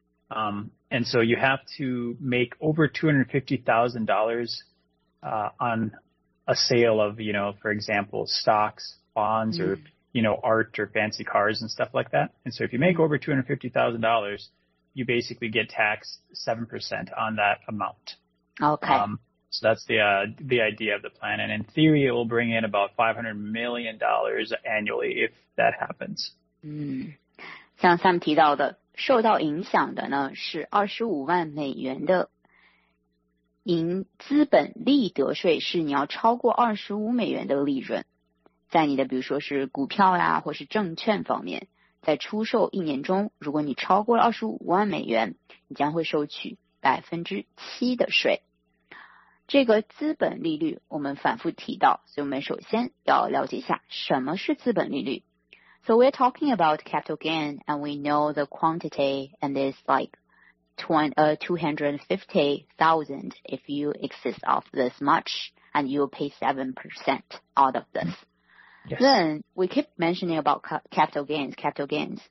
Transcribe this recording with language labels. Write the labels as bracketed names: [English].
[English] And so you have to make over $250,000 on a sale of, you know, for example, stocks, bonds, or, you know, art or fancy cars and stuff like that. And so if you make over $250,000, you basically get taxed 7% on that amount. Okay. So that's the idea of the plan. And in theory, it will bring in about $500 million annually if that happens. [Chinese] 像 Sam 提到的，受到影响的呢是25万美元的盈资本利得税，是你要超过25美元的利润，在你的比如说是股票呀或是证券方面，在出售一年中，如果你超过了25万美元，你将会收取 7% 的税。这个资本利率我们反复提到，所以我们首先要了解一下什么是资本利率。 [English] So we're talking about capital gain, and we know the quantity, and it's like 250,000 if you exist of this much, and you will pay 7% out of this. Yes. Then we keep mentioning about capital gains, capital gains.